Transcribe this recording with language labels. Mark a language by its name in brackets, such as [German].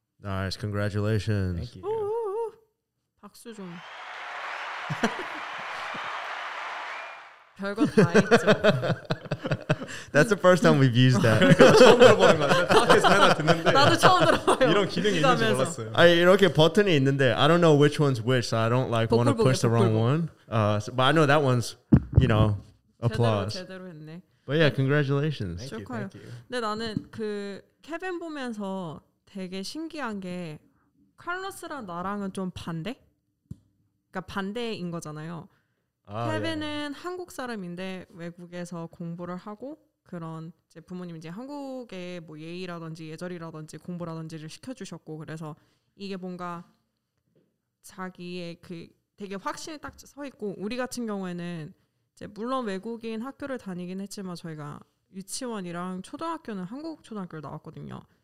[English] Nice, congratulations. Thank you. 오오오. [Korean] 박수 좀. 별것 다 했죠. [English] That's the first time we've used that. [Korean] 처음 들어보는 거 같아요. 하나 듣는데. 나도 처음 들어봐요. 이런 기능이 있는 줄 몰랐어요. 아니, 이렇게 버튼이 있는데 [English] I don't know which one's which, so I don't like want to push the wrong one. But I know that one's, you know, applause. [Korean] 제대로 했네. [English] But yeah, congratulations. Thank you. [Korean] 근데 나는 그 케빈 보면서 되게 신기한 게 칼로스랑 나랑은 좀 반대? 그러니까 반대인 거잖아요. 케빈은 yeah. 한국 사람인데 외국에서 공부를 하고 그런 이제 부모님 이제 한국의 뭐 예의라든지 예절이라든지 공부라든지를 시켜주셨고 그래서 이게 뭔가 자기의 그 되게 확신이 딱 서 있고 우리 같은 경우에는 이제 물론 외국인 학교를 다니긴 했지만 저희가 유치원이랑 초등학교는 한국 초등학교를 나왔거든요.